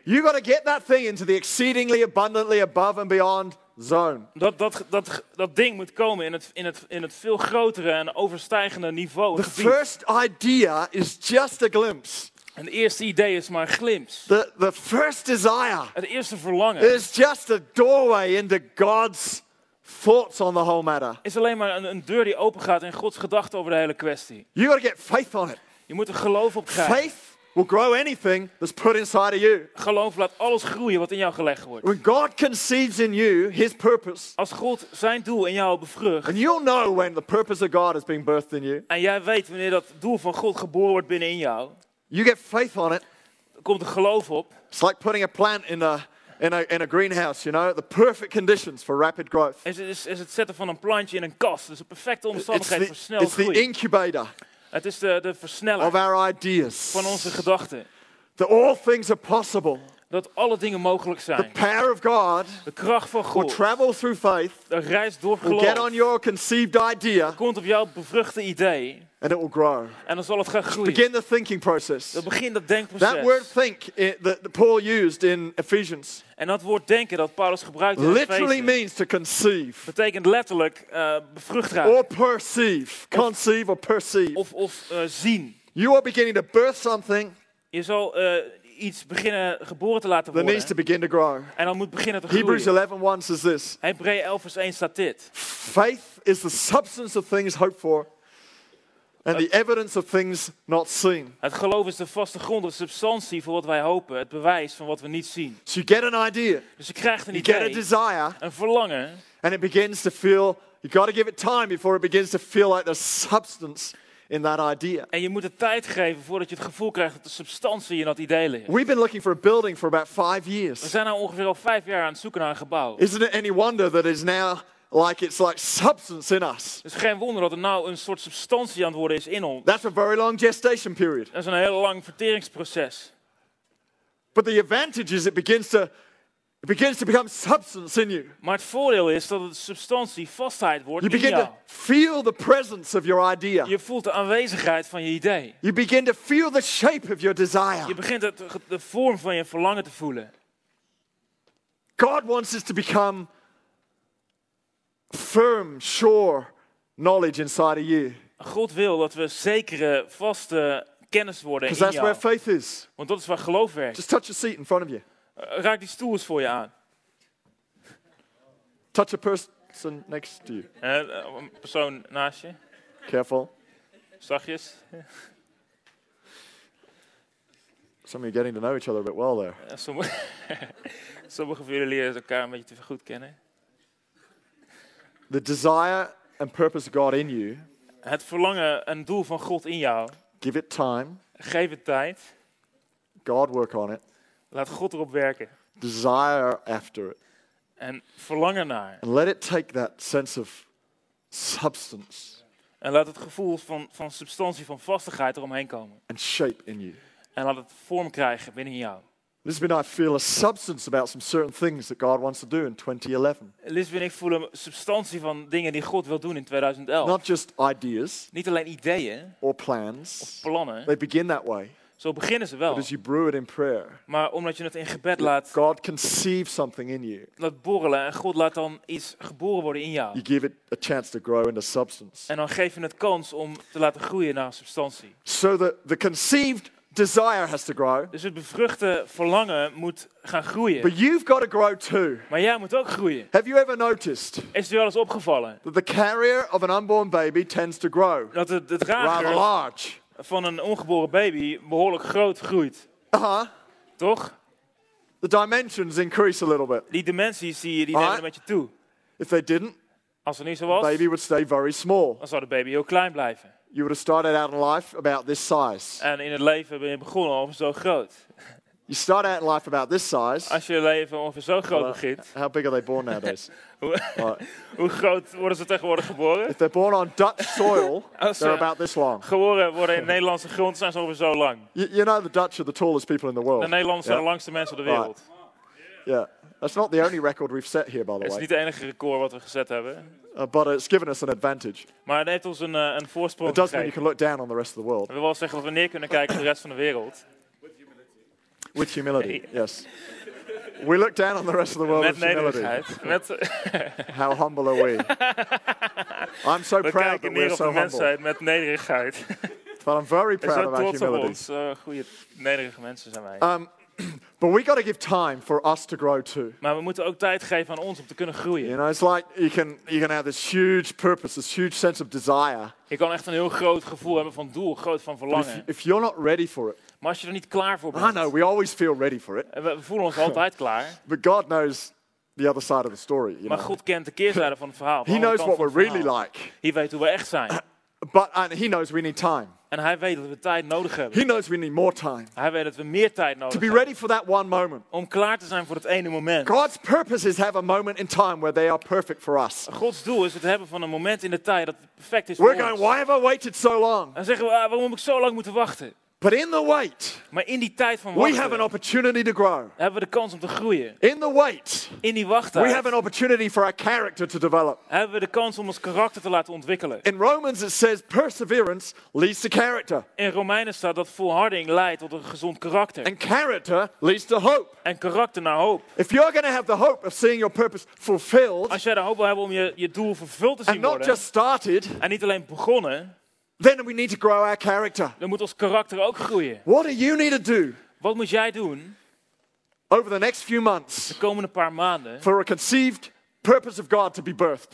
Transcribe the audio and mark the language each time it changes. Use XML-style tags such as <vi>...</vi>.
<en>You got to get that thing into the exceedingly abundantly above and beyond zoon.</en> <nl>Dat ding moet komen in het veel grotere en overstijgende niveau.</nl> <en>The first idea is just a glimpse.</en> <nl>En het eerste idee is maar een glimps.</nl> <en>The first desire.</en> <nl>Het eerste verlangen.</nl> <en>Is just a doorway into God's thoughts on the whole matter.</en> <nl>Is alleen maar een deur die opengaat in Gods gedachten over de hele kwestie.</nl> <en>You gotta get faith on it.</en> <nl>Je moet er geloof op krijgen.</nl> <en>Faith will grow anything that's put inside of you.</en> <nl>Geloof laat alles groeien wat in jou gelegd wordt.</nl> <en>When God conceives in you His purpose.</en> <nl>Als God zijn doel in jou bevrucht.</nl> <en>And you'll know when the purpose of God is being birthed in you.</en> <nl>En jij weet wanneer dat doel van God geboren wordt binnen in jou.</nl> <en>You get faith on it.</en> <nl>Komt er geloof op.</nl> <en>It's like putting a plant in a greenhouse, you know, the perfect conditions for rapid growth.</en> <nl>Is het zetten van een plantje in een kast. Dus een perfecte omstandigheid voor snel groei.</nl> <en>It's the incubator.</en> <nl>Het is de versneller.</nl> <en>Of our ideas.</en> <nl>Van onze gedachten.</nl> <en>That all things are possible.</en> <nl>Dat alle dingen mogelijk zijn.</nl> <en>The power of God.</en> <nl>De kracht van God.</nl> <en>Will travel through faith.</en> <nl>De reis door geloof.</nl> <en>Will get on your conceived idea.</en> <nl>Komt op jouw bevruchte idee.</nl> <en>And it will grow.</en> <nl>En dan zal het gaan groeien.</nl> <en>Begin the thinking process.</en> <nl>Dat begint dat denkproces.</nl> <en>That word think that Paul used in Ephesians.</en> <nl>En dat woord denken dat Paulus gebruikt in</nl> <en>Ephesians. Literally means to conceive.</en> <nl>Betekent letterlijk bevruchtdragen.</nl> <en>Or perceive. Conceive or perceive.</en> <nl>Of zien.</nl> <en>You are beginning to birth something.</en> <nl>Je zal iets beginnen geboren te laten worden.</nl> <en>That needs to begin to grow.</en> <nl>En dan moet beginnen te</nl> <en>Hebrews</en> <nl>groeien.</nl> <en>Hebrews 11:1 says this.</en> <nl>Hebreeën 11 vers 1 staat dit.</nl> <en>Faith is the substance of things hoped for. And the evidence of things not seen.</en> <nl>Het geloof is de vaste grond, de substantie voor wat wij hopen, het bewijs van wat we niet zien.</nl> <en>So you get an idea.</en> <nl>Dus je krijgt een</nl> <en>you</en> <nl>idee.</nl> <en>Get a desire.</en> <nl>Een verlangen.</nl> <en>And it begins to feel. You got to give it time before it begins to feel like there's substance in that idea.</en> <nl>En je moet het tijd geven voordat je het gevoel krijgt dat de substantie in dat idee ligt.</nl> <en>We've been looking for a building for about 5 years.</en> <nl>We zijn nou ongeveer al 5 jaar aan het zoeken naar een gebouw.</nl> <en>Isn't it any wonder that it's now like it's like substance in us.</en> <nl>Het is geen wonder dat er nou een soort substantie aan het worden is in ons.</nl> <en>That's a very long gestation period.</en> <nl>Dat is een heel lang verteringsproces.</nl> <en>But the advantage is it begins to become substance in you.</en> <nl>Maar het voordeel is dat het substantie vastheid wordt</nl> <en>you</en> <nl>in jou.</nl> <en>You begin to feel the presence of your idea.</en> <nl>Je voelt de aanwezigheid van je idee.</nl> <en>You begin to feel the shape of your desire.</en> <nl>Je begint de vorm van je verlangen te voelen.</nl> <en>God wants us to become firm, sure knowledge inside of you.</en> <nl>God wil dat we zekere, vaste kennis worden in jou.</nl> <en>Because that's where faith is.</en> <nl>Want dat is waar geloof werkt.</nl> <en>Just touch a seat in front of you.</en> <nl>Raak die stoel eens voor je aan.</nl> <en>Touch a person next to you.</en> <nl>Een persoon naast je.</nl> <en>Careful.</en> <nl>Zachtjes.</nl> <en>Some of you are getting to know each other a bit well there.</en> <nl>Sommige van jullie leren elkaar een beetje te goed kennen.</nl> <en>The desire and purpose of God in you.</en> <nl>Het verlangen en doel van God in jou.</nl> <en>Give it time.</en> <nl>Geef het tijd.</nl> <en>God work on it.</en> <nl>Laat God erop werken.</nl> <en>Desire after it.</en> <nl>En verlangen naar.</nl> <en>And let it take that sense of substance.</en> <nl>En laat het gevoel van substantie, van vastigheid eromheen komen.</nl> <en>And shape in you.</en> <nl>En laat het vorm krijgen binnen jou.</nl> <en>Lisbon, I feel a substance about some certain things that God wants to do in 2011.</en> <nl>Lisbon, ik voel een substantie van dingen die God wil doen in 2011.</nl> <en>Not just ideas.</en> <nl>Niet alleen ideeën.</nl> <en>Or plans.</en> <nl>Of plannen.</nl> <en>They begin that way.</en> <nl>Zo beginnen ze wel.</nl> <en>But as you brew it in prayer.</en> <nl>Maar omdat je het in gebed laat.</nl> <en>God conceive something in you.</en> <nl>Laat borrelen en God laat dan iets geboren worden in jou.</nl> <en>You give it a chance to grow into substance.</en> <nl>En dan geef je het kans om te laten groeien naar substantie.</nl> <en>So the conceived desire has to grow.</en> <nl>Dus het bevruchte verlangen moet gaan groeien.</nl> <en>But you've got to grow too.</en> <nl>Maar jij moet ook groeien.</nl> <en>Have you ever noticed?</en> <nl>Is het u al eens opgevallen?</nl> <en>That the carrier of an unborn baby tends to grow.</en> <nl>Dat de drager</nl> <en>rather large.</en> <nl>Van een ongeboren baby behoorlijk groot groeit.</nl> <en>Uh-huh.</en> <nl>Toch?</nl> <en>The dimensions increase a little bit.</en> <nl>Die dimensies zie je die nemen een beetje toe.</nl> <en>If they didn't,</en> <nl>als het niet zo was,</nl> <en>the baby would stay very small.</en> <nl>Dan zou de baby heel klein blijven.</nl> <en>You would have started out in life about this size.</en> <nl>En in het leven ben je begonnen over zo groot.</nl> <en>You start out in life about this size.</en> <nl>Als je leven ongeveer zo groot begint.</nl> <en>How big are they born nowadays?</en> <nl>Hoe groot worden ze tegenwoordig geboren?</nl> <en>If they're born on Dutch soil, they're about this long.</en> <nl>Geboren worden in Nederlandse grond zijn ze ongeveer zo lang.</nl> <en>You know the Dutch are the tallest people in the world.</en> <nl>De Nederlanders zijn de langste mensen ter wereld.</nl> <en>Yeah. That's not the only record we've set here, by the way.</en> <nl>Het is niet het enige record wat we gezet hebben.</nl> <en>But it's given us an advantage.</en> <nl>Maar het heeft ons een voorsprong gegeven.</nl> <en>It does mean you can look down on the rest of the world.</en> <nl>We willen zeggen dat we neer kunnen kijken op de rest van de wereld.</nl> <en>With humility, yes. We look down on the rest of the world</en> <nl>met</nl> <en>with humility.</en> <nl>Met</nl> <en>How humble are we? I'm so we proud that we're so humble.</en> <nl>Met nederigheid.</nl> <en>But I'm very proud of our humility.</en> <nl>Ons, goede, nederige mensen zijn wij.</nl> <en>But we got to give time for us to grow too.</en> <nl>Maar we moeten ook tijd geven aan ons om te kunnen groeien.</nl> <en>You know, it's like you can have this huge purpose, this huge sense of desire.</en> <nl>Je kan echt een heel groot gevoel hebben van doel, groot van verlangen.</nl> <en>But if you're not ready for it.</en> <nl>Maar als je er niet klaar voor bent.</nl> <en>I know, we always feel ready for it.</en> <nl>We voelen ons altijd klaar.</nl> <en>But God knows the other side of the story. You</en> <nl>maar</nl> <en>know?</en> <nl>God kent de keerzijde van het verhaal. Van</nl> <en>He knows what we're really like.</en> <nl>Hij weet hoe we echt zijn.</nl> <en>But and He knows we need time.</en> <nl>En hij weet dat we tijd nodig hebben.</nl> <en>He knows we need more time.</en> <nl>Hij weet dat we meer tijd nodig</nl> <en>to be</en> <nl>hebben.</nl> <en>Ready for that one moment.</en> <nl>Om klaar te zijn voor het ene moment.</nl> <en>God's purpose is have a moment in time where they are perfect for us.</en> <nl>Gods doel is het hebben van een moment in de tijd dat perfect is</nl> <en>We're</en> <nl>voor</nl> <en>going,</en> <nl>ons.</nl> <en>Why have I waited so long?</en> <nl>Dan zeggen we, waarom heb ik zo lang moeten wachten?</nl> <en>But in the wait,</en> <nl>maar in die tijd van wachten,</nl> <en>we have an opportunity to grow.</en> <nl>Hebben we de kans om te groeien.</nl> <en>In the wait,</en> <nl>in die wachttijd,</nl> <en>we have an opportunity for our character to develop.</en> <nl>Hebben we de kans om ons karakter te laten ontwikkelen.</nl> <en>In Romans it says perseverance leads to character.</en> <nl>In Romeinen staat dat volharding leidt tot een gezond karakter.</nl> <en>And character leads to hope.</en> <nl>En karakter naar hoop.</nl> <en>If you're going to have the hope of seeing your purpose fulfilled,</en> <nl>als jij de hoop wil hebben om je doel vervuld te zien</nl> <en>and</en> <nl>worden,</nl> <en>not just started,</en> <nl>en niet alleen begonnen.</nl> <en>Then we need to grow our character.</en> <nl>Dan moet ons karakter ook groeien.</nl> <en>What do you need to do?</en> <nl>Wat moet jij doen?</nl> <en>Over the next few months.</en> <nl>De komende paar maanden.</nl> <en>For a conceived purpose of God to be birthed.</en>